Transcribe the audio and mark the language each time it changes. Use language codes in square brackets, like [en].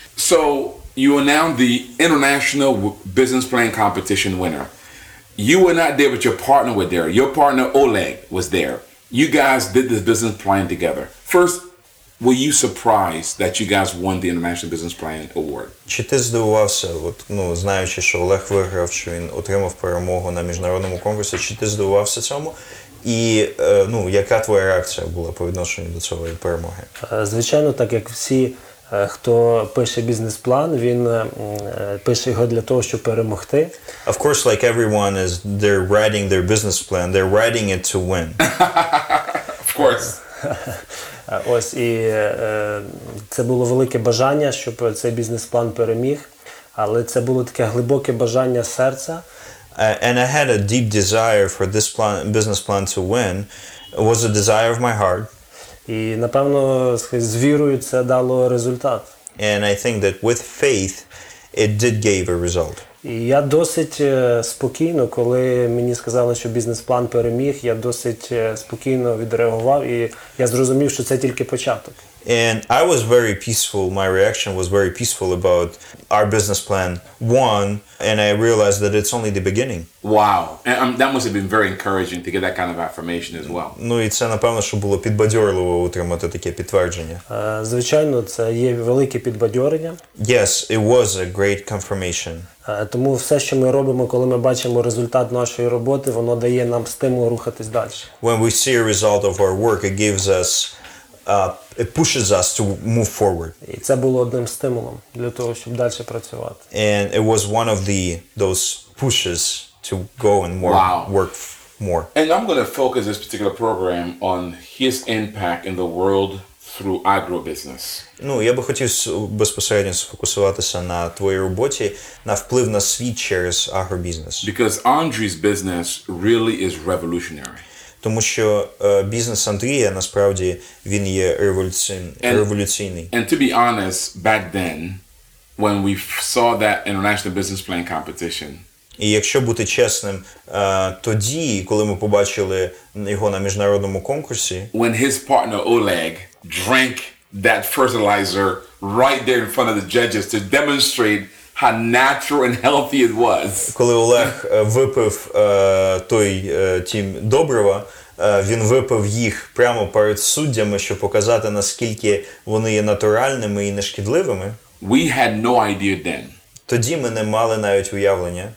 [en] So you are now the international business plan competition winner. You were not there, but your partner was there. Your partner, Oleg, was there. You guys did this business plan together. First, were you surprised that you guys won the International Business Plan Award? [uk] Чи ти здивувався, знаючи, що Олег виграв, що він отримав перемогу на міжнародному конкурсі, чи ти здивувався цьому? І яка твоя реакція була по відношенню до цієї перемоги? Звичайно, так як всі, хто пише бізнес-план, він пише його для того, щоб перемогти. [en] Of course, like everyone is, they're writing their business plan, they're writing it to win. Of course. [uk] Ось і це було велике бажання, щоб цей бізнес-план переміг, але це було таке глибоке бажання серця. [en] And I had a deep desire for this plan, business plan to win. It was a desire of my heart. [uk] І, напевно, з вірою це дало результат. [en] And I think that with faith it did give a result. [uk] І я досить спокійно, коли мені сказали, що бізнес-план переміг, я досить спокійно відреагував, і я зрозумів, що це тільки початок. [en] And I was very peaceful, my reaction was very peaceful about our business plan won, and I realized that it's only the beginning. Wow, and that must have been very encouraging to get that kind of affirmation as well. [uk] Ну і це, напевно, що було підбадьорливо отримати таке підтвердження. Звичайно, це є велике підбадьорення. [en] Yes, it was a great confirmation. [uk] Тому все, що ми робимо, коли ми бачимо результат нашої роботи, воно дає нам стимул рухатись далі. [en] When we see a result of our work, it gives us, it pushes us to move forward. [uk] І це було одним стимулом для того, щоб далі працювати. [en] And it was one of those pushes to go and work more. And I'm going to focus this particular program on his impact in the world through agrobusiness. [uk] Ну, я би хотів безпосередньо сфокусуватися на твоїй роботі, на вплив на світ через агробізнес. [en] Because Andre's business really is revolutionary. [uk] Тому що бізнес Андрія, насправді, він є революційний. [en] And to be honest, back then, when we saw that international business plan competition, [uk] і якщо бути чесним, тоді, коли ми побачили його на міжнародному конкурсі, [en] when his partner Oleg drank that fertilizer right there in front of the judges to demonstrate how natural and healthy it was. [uk] Коли Олег випив той тім добрива, він випив їх прямо перед суддями, щоб показати, наскільки вони є натуральними і нешкідливими. [en] We had no idea then. [uk] Тоді ми не мали навіть уявлення,